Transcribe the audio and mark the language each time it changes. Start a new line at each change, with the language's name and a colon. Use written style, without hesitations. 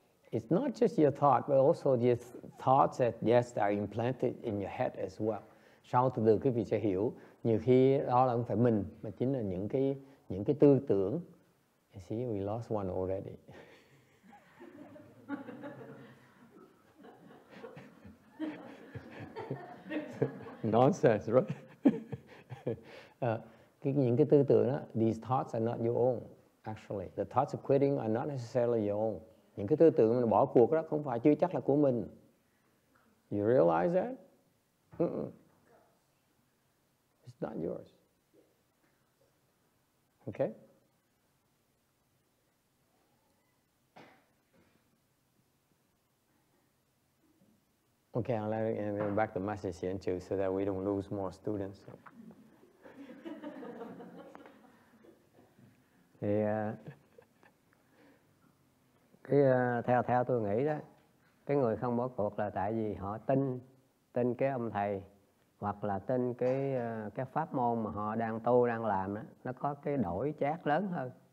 English: It's not just your thought, but also the thoughts that, yes, are implanted in your head as well.
Vietnamese: Sau từ từ quý vị sẽ hiểu, nhiều khi đó là không phải mình, mà chính là những cái tư tưởng.
English: You see, we lost one already. Nonsense, right?
Vietnamese: Những cái tư tưởng đó,
English: these thoughts are not your own, actually. The thoughts of quitting are not necessarily your own.
Vietnamese: Những cái tư tưởng mình bỏ cuộc đó không phải, chưa chắc là của mình.
English: You realize that? Not yours. Okay? Okay, I'll let it and back the message here too so that we don't lose more students.
Vietnamese: Thì theo tôi nghĩ đó, cái người không bỏ cuộc là tại vì họ tin cái ông thầy, hoặc là tin cái pháp môn mà họ đang tu, đang làm đó, nó có cái đổi chác lớn hơn.